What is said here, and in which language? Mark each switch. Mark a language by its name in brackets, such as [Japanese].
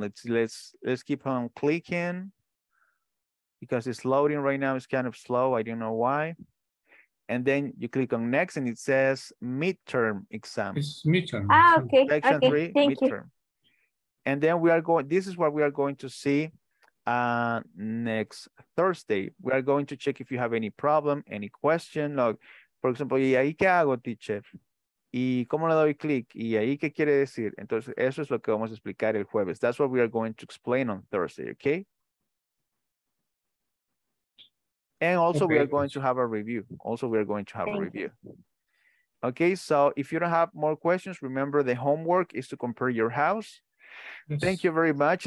[English] Let's keep on clicking because it's loading right now. It's kind of slow. I don't know why. And then you click on next and it says midterm exam. It's midterm. Ah, okay. Section 3, thank midterm. You. And then this is what we are going to see next Thursday. We are going to check if you have any problem, any question. Like, for example, [Spanish] ¿y ahí qué hago, teacher? ¿Y cómo le doy click? ¿Y ahí qué quiere decir? Entonces, eso es lo que vamos a explicar el jueves. [English] That's what we are going to explain on Thursday, okay? And also, okay. We are going to have a review. Also, we are going to have a review. Okay, so if you don't have more questions, remember the homework is to compare your house. Yes. Thank you very much.